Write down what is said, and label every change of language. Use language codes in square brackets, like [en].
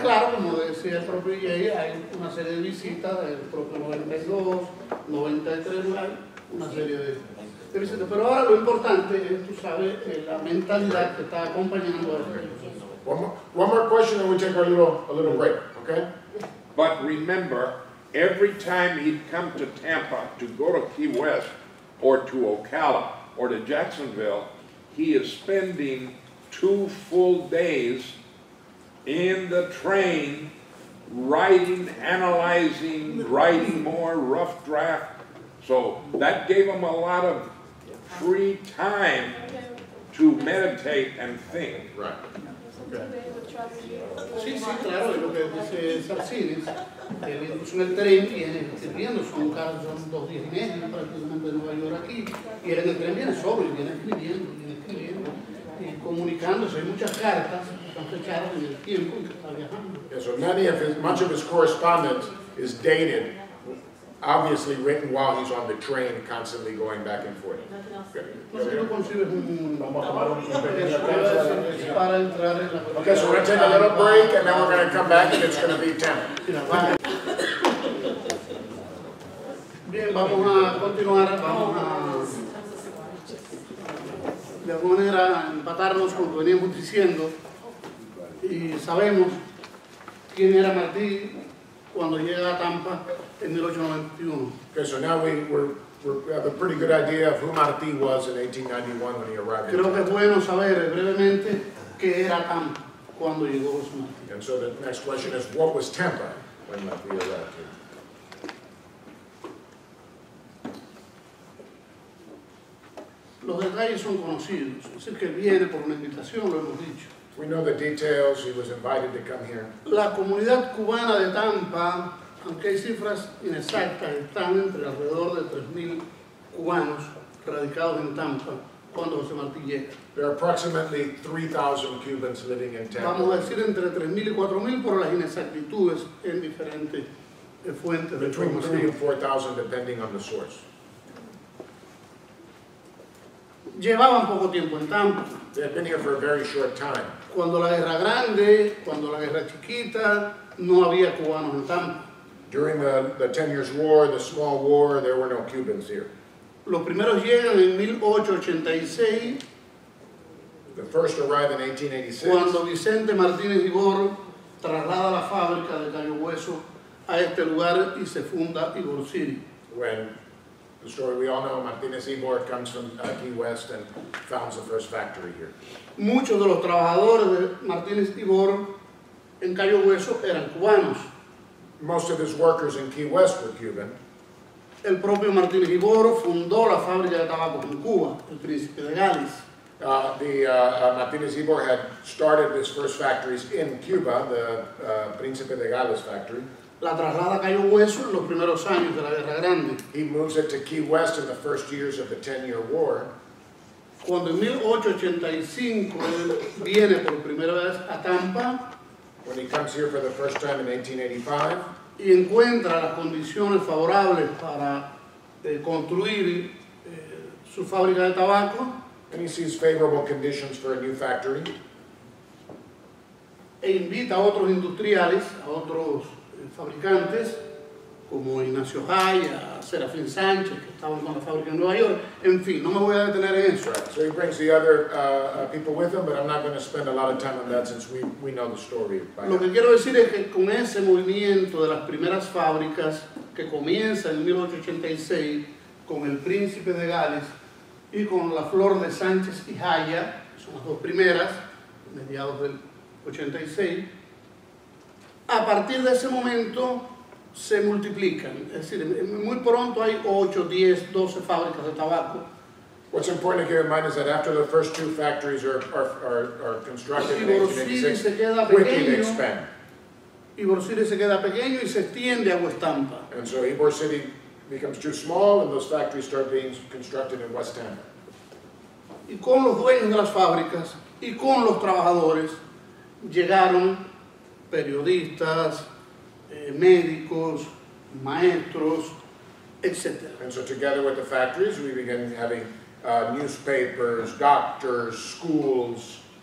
[es] En tres días lo hizo todo. Y después, claro, como decía el propio EJ, hay una serie de visitas del propio 92, 93, una serie de... Pero ahora lo importante es, tú sabes, la mentalidad que está acompañando a él. [en] One more question and we take a little break, okay? But remember, every time he'd come to Tampa to go to Key West or to Ocala or to Jacksonville, he is spending two full days in the train writing, analyzing, writing more rough draft. So that gave him a lot of free time to meditate and think. Right. Okay. [es] Sí, sí, claro, lo que dice Sarcides, él incluso en el tren viene escribiendo, son dos días y medio prácticamente de Nueva York aquí, y él en el tren viene sobre, viene escribiendo, y comunicándose, hay muchas cartas, están fechadas en el tiempo que está viajando. [en] Yeah, so much of his correspondence is dated. Obviously written while he's on the train, constantly going back and forth. Okay, so we're going to take a little break, and then we're going to come back, and it's going to be 10. [es] Bien, vamos a continuar. Vamos a, de alguna manera, empatarnos con lo que veníamos diciendo. Y sabemos quién era Martí cuando llega a Tampa. [en] Okay, so now we have a pretty good idea of who Martí was in 1891 when he arrived. [es] Creo que es bueno saber brevemente qué era Tampa cuando llegó Martí. [en] And so the next question is, what was Tampa when Martí arrived here? [es] Tampa era conocido. Los detalles son conocidos. Es decir, que viene por una invitación, lo hemos dicho. [en] We know the details. He was invited to come here. [es] La comunidad cubana de Tampa, aunque hay cifras inexactas, están entre alrededor de 3,000 cubanos radicados en Tampa cuando José Martí llega. [en] There are approximately 3,000 Cubans living in Tampa. [es] Vamos a decir entre 3,000 y 4,000 por las inexactitudes en diferentes fuentes. [en] Between 3,000 and 4,000 depending on the source. [es] Llevaban poco tiempo en Tampa. [en] They had been here for a very short time. [es] Cuando la guerra grande, cuando la guerra chiquita, no había cubanos en Tampa. [en] During the 10 Years' War, the small war, there were no Cubans here. [es] Los primeros llegan en 1886. [en] The first arrived in 1886. [es] Cuando Vicente Martínez Ibor traslada la fábrica de Gallo Hueso a este lugar y se funda Ibor City. [en] When the story we all know, Martínez Ibor comes from Key West and founds the first factory here. [es] Muchos de los trabajadores de Martínez Ibor en Gallo Hueso eran cubanos. [en] Most of his workers in Key West were Cuban. [es] El propio Martín Ibor fundó la fábrica de tabaco en Cuba, el Príncipe de Gales. [en] Martínez Ibor had started his first factories in Cuba, the Príncipe de Gales factory. [es] La traslada a Cayo Hueso en los primeros años de la Guerra Grande. [en] He moves it to Key West in the first years of the 10-year war. [es] Cuando en 1885 él viene por primera vez a Tampa, [en] when he comes here for the first time in 1885, [es] y encuentra las condiciones favorables para construir su fábrica de tabaco, [en] and he sees favorable conditions for a new factory, [es] e invita a otros industriales, a otros fabricantes, como Ignacio Jaya, Serafín Sánchez, que estaban con la fábrica en Nueva York, en fin, no me voy a detener en eso. [en] Right. So he brings the other people with him, but I'm not going to spend a lot of time on that since we know the story. [es] Lo que quiero decir es que con ese movimiento de las primeras fábricas que comienza en 1886 con el Príncipe de Gales y con la Flor de Sánchez y Jaya, son las dos primeras, mediados del 86, a partir de ese momento se multiplican, es decir, muy pronto hay 8, 10, 12 fábricas de tabaco. [en] What's important to keep in mind is that after the first two factories are constructed in 1886, [es] Ybor City se queda pequeño y se extiende a West Tampa. [en] And so Ybor City becomes too small and those factories start being constructed in West Tampa. [es] Y con los dueños de las fábricas y con los trabajadores llegaron periodistas, médicos, maestros, etc. [en] And so together with the factories, we began having newspapers, doctors, schools.